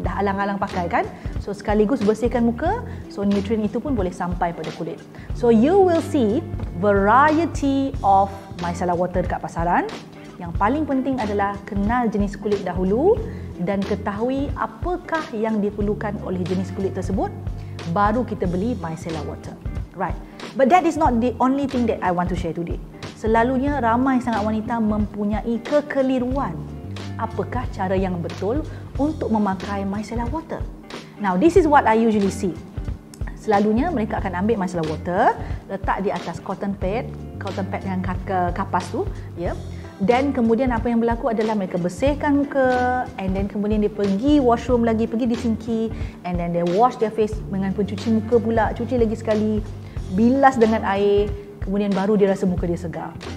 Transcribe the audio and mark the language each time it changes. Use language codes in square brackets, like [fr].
[ms] Dah alang-alang pakai kan? So sekaligus bersihkan muka, so nutrien itu pun boleh sampai pada kulit. [en] So you will see variety of micellar water [ms] dekat pasaran. Yang paling penting adalah kenal jenis kulit dahulu dan ketahui apakah yang diperlukan oleh jenis kulit tersebut, baru kita beli micellar water. [en] Right. But that is not the only thing that I want to share today. [ms] Selalunya ramai sangat wanita mempunyai kekeliruan. Apakah cara yang betul untuk memakai micellar water? [en] Now, this is what I usually see. [ms] Selalunya mereka akan ambil micellar water, letak di atas cotton pad yang kapas tu, ya. Yeah. Dan kemudian apa yang berlaku adalah mereka bersihkan muka, and then kemudian dia pergi washroom lagi, pergi di sinki, and then [en] they wash their face [ms] dengan pencuci muka pula, cuci lagi sekali, bilas dengan air, kemudian baru dia rasa muka dia segar.